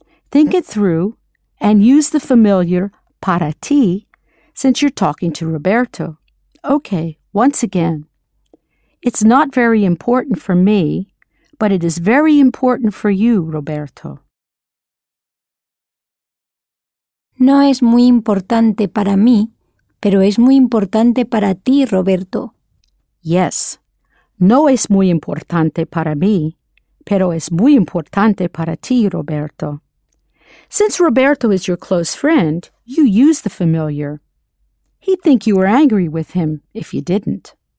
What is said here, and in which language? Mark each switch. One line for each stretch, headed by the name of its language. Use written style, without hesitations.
English: Think it through and use the familiar para ti since you're talking to Roberto. Okay, once again. It's not very important for me, but it is very important for you, Roberto.
Spanish: No es muy importante para mí. Pero es muy importante para ti, Roberto.
English: Yes.
Spanish: No es muy importante para mí, pero es muy importante para ti, Roberto.
English: Since Roberto is your close friend, you use the familiar. He'd think you were angry with him if you didn't.